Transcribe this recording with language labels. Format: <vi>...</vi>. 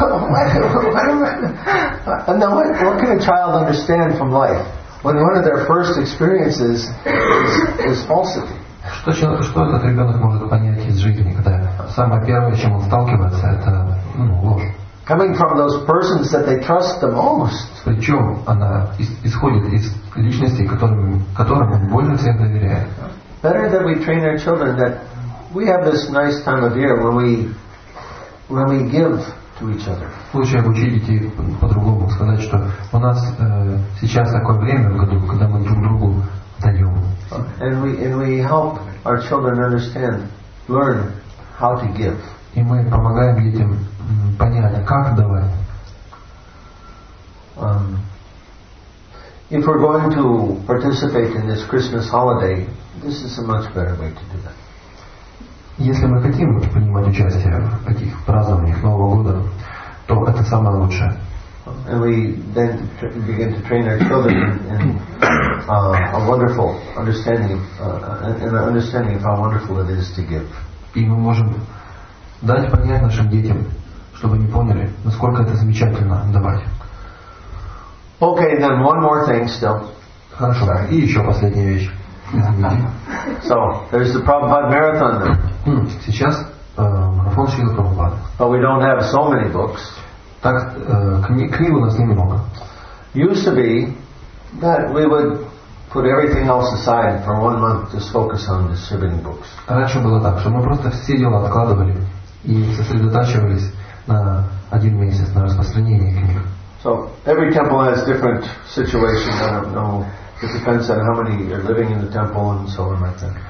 <en>And then what can a child understand from life when one of their first experiences is falsity?</en> <ru>Что человек, что этот ребенок может понять из жизни, когда самое первое, чем он сталкивается, это ложь.</ru> <en>Coming from those persons that they trust the most.</en> <ru>Причем она исходит из личностей, которым он больше всего доверяет.</ru> <en>Better that we train our children that we have this nice time of year when we give to each other.</en> <ru>Лучше обучить детей по-другому, сказать, что у нас сейчас такое время в году, когда мы друг другу даем.</ru> <en>And we help our children understand, learn how to give.</en> <ru>И мы помогаем детям понять, как давать.</ru> <en>If we're going to participate in this Christmas holiday, this is a much better way to do that.</en> <ru>Если мы хотим принимать участие в этих празднованиях Нового года, то это самое лучшее.</ru> <en>And we then begin to train our children in a wonderful understanding, and an understanding of how wonderful it is to give.</en> <ru>И мы можем дать понять нашим детям, чтобы они поняли, насколько это замечательно давать.</ru> <en>Okay, then one more thing still.</en> <ru>Хорошо. И еще последняя вещь.</ru> <en>So there's the Prabhupada marathon.</en> <ru>Сейчас марафон Шрилы Прабхупады.</ru> <en>But we don't have so many books.</en> <ru>Так книг у нас не много.</ru> <en>Used to be that we would put everything else aside for one month to focus on distributing books.</en> <ru>Раньше было так, что мы просто все дела откладывали и сосредотачивались на один месяц на распространение книг.</ru> <en>So every temple has different situations. I don't know. It depends on how many are living in the temple and so on like that.</en>